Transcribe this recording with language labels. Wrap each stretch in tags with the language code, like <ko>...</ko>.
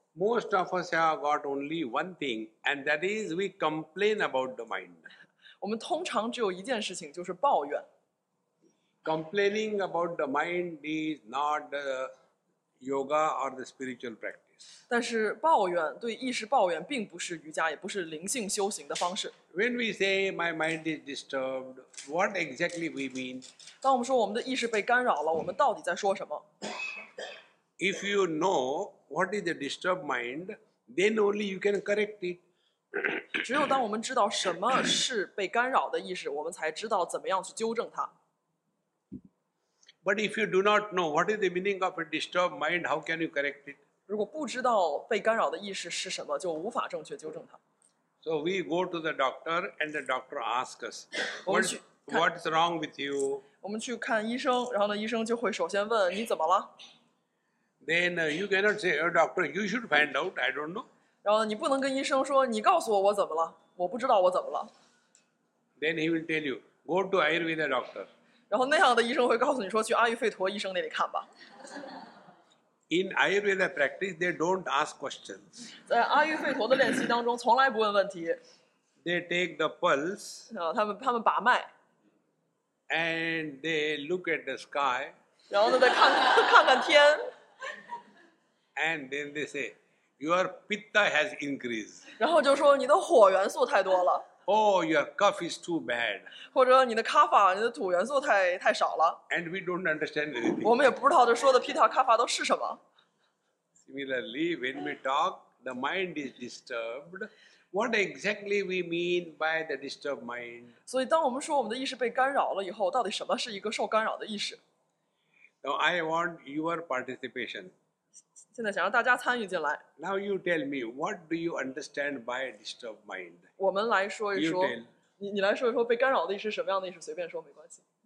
<en>Most of us have got only one thing, and that is we complain about the mind. We usually only have one thing, which is complaining. Complaining about the mind is not the yoga or the spiritual practice.</en> <zh>但是, 抱怨, 对, 意识, 抱怨, 并不是, 瑜伽, 也不是, 灵性修行的方式。</zh> <en>When we say my mind is disturbed, what exactly we mean?</en> <zh>当我们说我们的意识被干扰了, 我们到底在说什么?</zh> <en>If you know what is a disturbed mind, then only you can correct it.</en> <zh>只有当我们知道什么是被干扰的意识, 我们才知道怎么样去纠正它。</zh> <en>But if you do not know what is the meaning of a disturbed mind, how can you correct it?</en> <zh>如果不知道被干扰的意识是什么, 就无法正确纠正它。</zh> <en>So we go to the doctor and the doctor asks us, what's wrong with you?</en> <zh>我们去看医生, 然后呢, 医生就会首先问, 你怎么了?</zh> <en>Then you cannot say, oh, doctor, you should find out, I don't know.</en> <zh>然后你不能跟医生说, 你告诉我我怎么了, 我不知道我怎么了。</zh> <en>Then he will tell you, go to Ayurveda doctor.</en> <zh>然后那样的医生会告诉你说去阿育吠陀医生那里看吧。</zh> <en>In Ayurveda practice, they don't ask questions.</en> <zh>在阿育吠陀的练习当中从来不问问题。</zh> <en>They take the pulse.</en> <zh>他们把脉。</zh> <en>And they look at the sky.</en> <zh>然后再看看天。</zh> <en>And then they say, your pitta has increased.</en> <zh>然后就说你的火元素太多了。</zh> <en>Oh, your cough is too bad.</en> <zh>或者你的 kapha, 你的土元素太少了。</zh> <en>And we don't understand anything.</en> <zh>我们也不知道他说的 pitta kapha 都是什么。</zh> <en>Similarly, when we talk, the mind is disturbed. What exactly we mean by the disturbed mind?</en> <zh>所以当我们说我们的意识被干扰了以后, 到底什么是一个受干扰的意识?</zh> <en>Now I want your participation.</en> <zh>现在想让大家参与进来。</zh> <en>Now you tell me, what do you understand by a disturbed mind?</en> <zh>我们来说一说, 你来说一说, 被干扰的意识是什么样的意识, 随便说没关系。</zh>